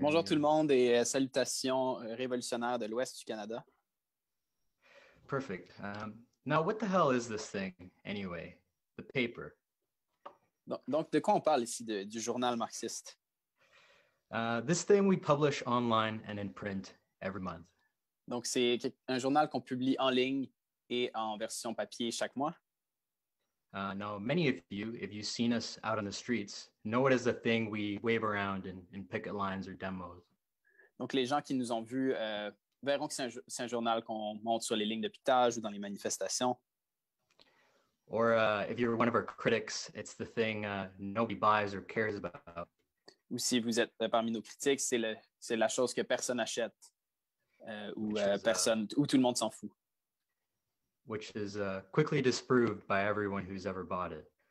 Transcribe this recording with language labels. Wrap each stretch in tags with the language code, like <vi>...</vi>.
<fr>Bonjour tout le monde et salutations révolutionnaires de l'ouest du Canada.</fr> <en>Perfect. Now, what the hell is this thing, anyway? The paper.</en> <fr>Donc, de quoi on parle ici, du journal marxiste?</fr> <en>This thing we publish online and in print every month.</en> <fr>Donc, c'est un journal qu'on publie en ligne et en version papier chaque mois.</fr> <en>Now, many of you, if you've seen us out on the streets, know it as a thing we wave around in picket lines or demos.</en> <fr>Donc, les gens qui nous ont vus verront que c'est un journal qu'on montre sur les lignes de pitage ou dans les manifestations.</fr> <en>Or if you're one of our critics, it's the thing nobody buys or cares about.</en> <fr>Ou si vous êtes parmi nos critiques, c'est la chose que personne achète ou tout le monde s'en fout.</fr> <en>Which is quickly disproved by everyone who's ever bought it.</en>